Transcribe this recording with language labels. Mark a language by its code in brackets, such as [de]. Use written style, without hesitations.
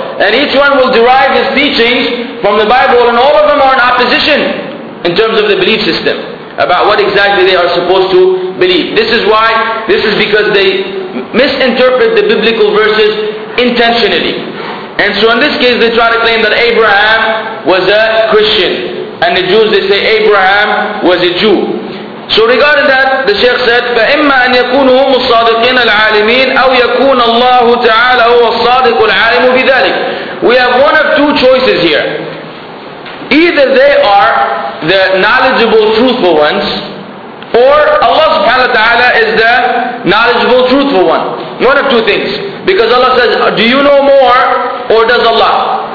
[en] And each one will derive his teachings from the Bible, and all of them are in opposition in terms of the belief system about what exactly they are supposed to believe. This is because they misinterpret the biblical verses intentionally. And so in this case, they try to claim that Abraham was a Christian. And the Jews, they say Abraham was a Jew. So regarding that, the Shaykh said, [ar] فَإِمَّا أَن يَكُونُوا هُمُ الصَّادِقِينَ الْعَالِمِينَ أَوْ يَكُونَ اللَّهُ تَعَالَى هُوَ الصَّادِقُ الْعَالِمُ بِذَلِكَ. [en] We have one of two choices here. Either they are the knowledgeable, truthful ones, or Allah subhanahu wa ta'ala is the knowledgeable, truthful one. One of two things. Because Allah says, do you know more, or does Allah?